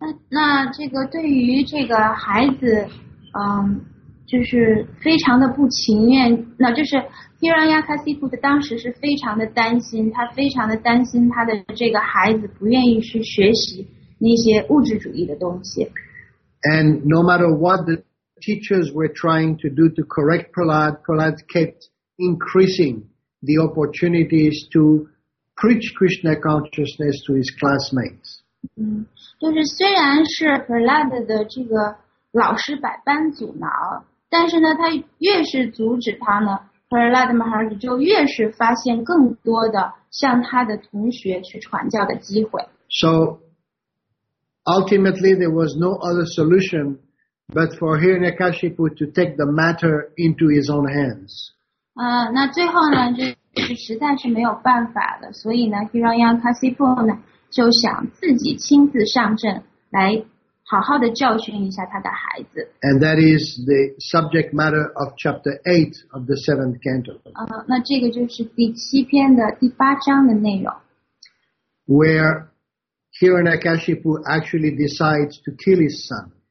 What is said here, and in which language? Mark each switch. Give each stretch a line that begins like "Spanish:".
Chinese: 那这个对于这个孩子，就是非常的不情愿，那就是 Hiranyakasipu 的当时是非常的担心，他非常的担心他的这个孩子不愿意去学习那些物质主义的东西。
English: And no matter what the teachers were trying to do to correct Prahlad, Prahlad kept increasing the opportunities to preach Krishna consciousness to his classmates.
Chinese: 就是虽然是 Prahlad 的这个老师百般阻挠，但是呢，他越是阻止他呢 ，Prahlad Maharaj 就越是发现更多的向他的同学去传教的机会。
English: So ultimately, there was no other solution but for Hiranyakashipu to take the matter into his own hands.
Chinese: 那最后呢，就是实在是没有办法了，所以呢 ，Hiranyakashipu 呢就想自己亲自上阵来。好好的教训一下他的孩子。
English: And that is the subject matter of chapter 8 of the 7th canto.
Chinese: 那这个就是第七篇的第八章的内容。
English: Where Hiranyakashipu actually decides to kill his son.